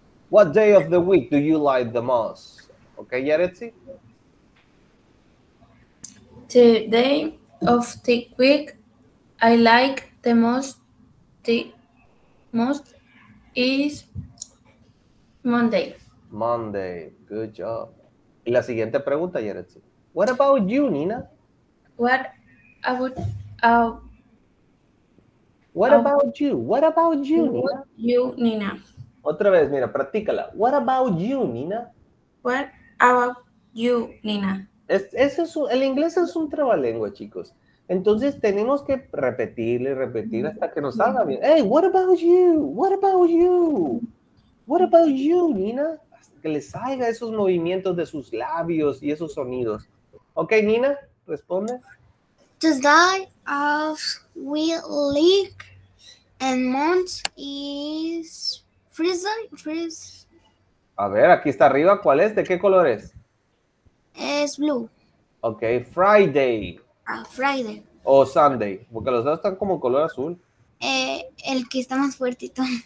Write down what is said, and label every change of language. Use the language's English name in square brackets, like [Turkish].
[English] What day of the week do you like the most? Okay, Yaretzi? Today of the week I like the most is Monday. Monday, good job. [Spanish] Y la siguiente pregunta, Yaretzi. [English] What about you, Nina? What about What about you? What about you, Nina? You, Nina. [Spanish] Otra vez, mira, practícala. [English] What about you, Nina? What about you, Nina? [Spanish] El inglés es un trabalengua, chicos. Entonces tenemos que repetirle y repetir hasta que nos salga bien. [English] Hey, what about you? What about you? What about you, Nina? [Spanish] Hasta que le salga esos movimientos de sus labios y esos sonidos. Ok, Nina, responde. Does that of wheat leak and months is freeze? A ver, aquí está arriba, ¿cuál es? ¿De qué color es? Es blue. [English] Ok, Friday. Friday. [Spanish] O Sunday, porque los dos están como color azul. El que está más fuertito.